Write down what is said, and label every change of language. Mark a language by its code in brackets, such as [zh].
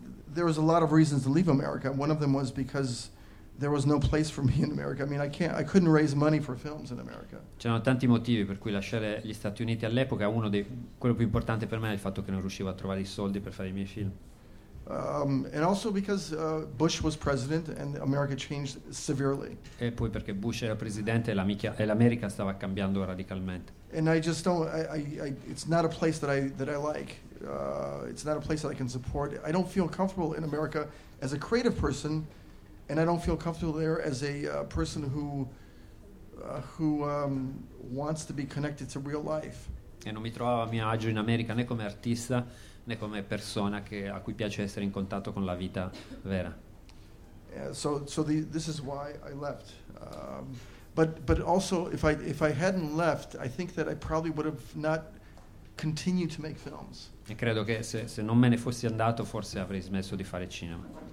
[en] There was a lot of reasons to leave America. One of them was because there was no place for me in America. I mean, I couldn't raise money for films in America. [it] C'erano tanti motivi per cui lasciare gli Stati Uniti all'epoca. Uno dei quello più importante per me è il fatto che non riuscivo a trovare i soldi per fare i miei film. [en] And also because Bush was president and America changed severely. [it] E poi perché Bush era presidente e l'America stava cambiando radicalmente. [en] And I just don't. I it's not a place that I like. It's not a place that I can support. I don't feel comfortable in America as a creative person. And I don't feel comfortable there as a person who wants to be connected to real life. [it] E non mi trovavo a mio agio in America né come artista né come persona a cui piace essere in contatto con la vita vera. [en] So this is why I left. But also if I hadn't left, I think that I probably would have not continued to make films. [it] E credo che se non me ne fossi andato, forse avrei smesso di fare cinema.